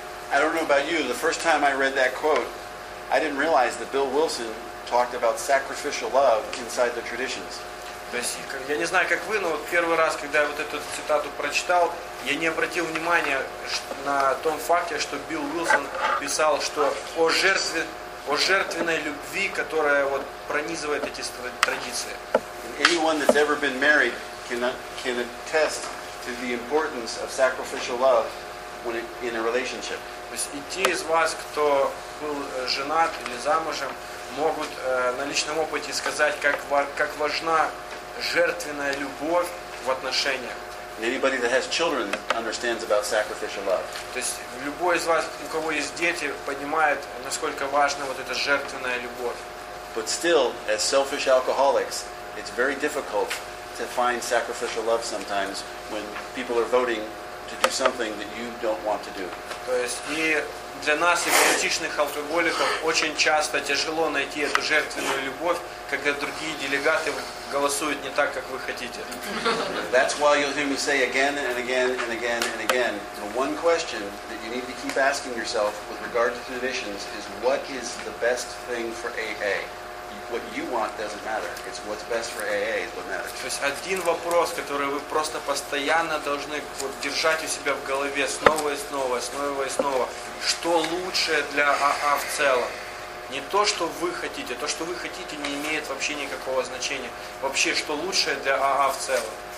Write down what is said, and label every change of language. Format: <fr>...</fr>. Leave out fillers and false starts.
<en>I don't know about you, the first time I read that quote, I didn't realize that Bill Wilson talked about sacrificial love inside the traditions.</en> <ru>Я не знаю, как вы, но вот первый раз, когда я вот эту цитату прочитал, я не обратил внимания на том факте, что Билл Уилсон писал, что о жертвенной любви, которая вот пронизывает эти традиции.</ru> <en>Anyone that's ever been married can attest to the importance of sacrificial love in a relationship.</en> <ru>То есть и те из вас, кто был женат или замужем, могут на личном опыте сказать, как важна жертвенная любовь в отношениях.</ru> <en>Anybody that has children understands about sacrificial love.</en> <ru>То есть любой из вас, у кого есть дети, понимает, насколько важна вот эта жертвенная любовь.</ru> <en>But still, as selfish alcoholics, it's very difficult to find sacrificial love sometimes when people are voting to do something that you don't want to do.</en> <ru>То есть и для нас, эгоистичных алкоголиков, очень часто тяжело найти эту жертвенную любовь, когда другие делегаты голосуют не так, как вы хотите.</ru> <en>That's why you'll hear me say again and again and again and again, the one question that you need to keep asking yourself with regard to traditions is what is the best thing for AA? What you want doesn't matter. It's what's best for AA is what matters.</en> <ru>То есть один вопрос, который вы просто постоянно должны вот держать у себя в голове снова и снова, снова и снова. Что лучшее для АА в целом? Не то, что вы хотите. То, что вы хотите, не имеет вообще никакого значения. Вообще, что лучшее для АА в целом?</ru>